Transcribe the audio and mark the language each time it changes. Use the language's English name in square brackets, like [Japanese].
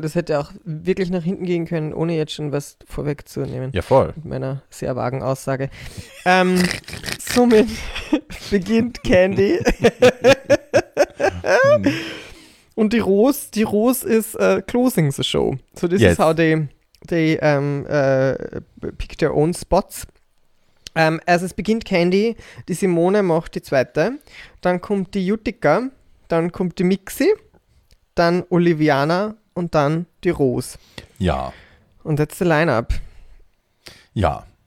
[German] Das hätte auch wirklich nach hinten gehen können, ohne jetzt schon was vorwegzunehmen. Ja, voll. Mit meiner sehr vagen Aussage. somit beginnt Candy. Und die Rose ist [English] closing the show. So this is how they pick their own spots. [German] Also es beginnt Candy, die Simone macht die zweite, dann kommt die Jutika, dann kommt die Mixi, dann Oliviana und dann die Rose. Ja. [English] Und that's the lineup. [German] Ja.